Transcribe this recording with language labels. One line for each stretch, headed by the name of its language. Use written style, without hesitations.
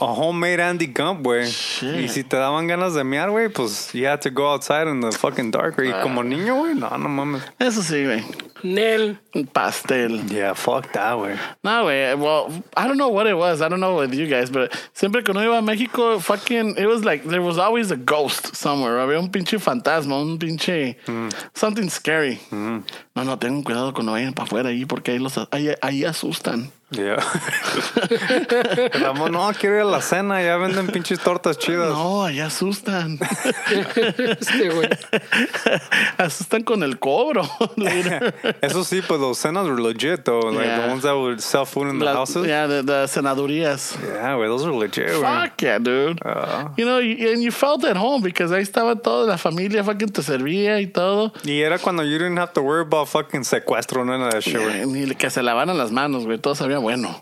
English: A homemade Andy Gump, güey.
Spanish: Y si te daban ganas de mear, güey, pues
English: you had to go outside in the fucking dark, güey.
Spanish: Como niño, güey, no mames. Eso sí, güey. Nel. Pastel.
English: Yeah, fuck that, güey.
Spanish: No, güey.
English: Well, I don't know what it was. I don't know with you guys, but
Spanish: siempre que no iba a México,
English: fucking, it was like, there was always a ghost somewhere.
Spanish: Había un pinche fantasma, un pinche
English: something scary.
Spanish: No, tengan cuidado cuando vayan para afuera ahí porque ahí asustan. Yeah. Ramón, no, quiero ir a la cena, ya venden pinches tortas chidas. No, ahí asustan. Este güey. Asustan con el cobro. Eso sí, pues los cenas
English: were legit, though. Like, the ones that would sell food in the houses. Yeah, the cenadurías. Yeah, güey, those were legit, güey. Fuck yeah, dude. You know, and you felt at home because
Spanish: ahí estaba toda la familia, fucking te servía y todo. Y era cuando
English: you didn't have to worry about fucking
Spanish: secuestro, no era de show. Ni que se lavaran las manos, güey, todo sabía bueno.